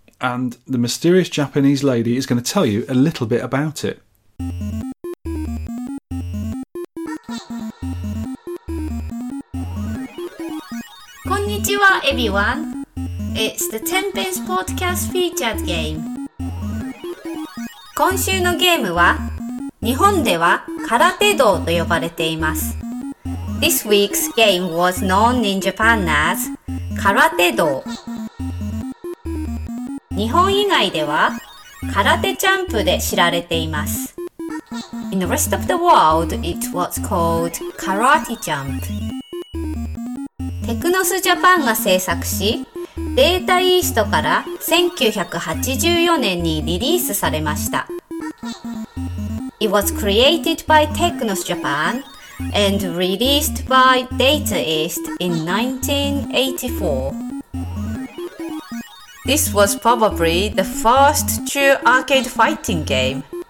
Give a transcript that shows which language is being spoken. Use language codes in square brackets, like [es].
[en] And the mysterious Japanese lady is going to tell you a little bit about it. Konnichiwa everyone, it's the Tenpence Podcast featured game. [ja] 今週のゲームは、日本では空手道と呼ばれています。 [en] This week's game was known in Japan as 空手道。 [ja] 日本以外では空手チャンプで知られています。 [en] In the rest of the world, it was called Karate Champ. [ja] テクノスジャパンが制作し、データイーストから1984年にリリースされました。 [en] It was created by Technos Japan and released by Data East in 1984.This was probably the first true arcade fighting game.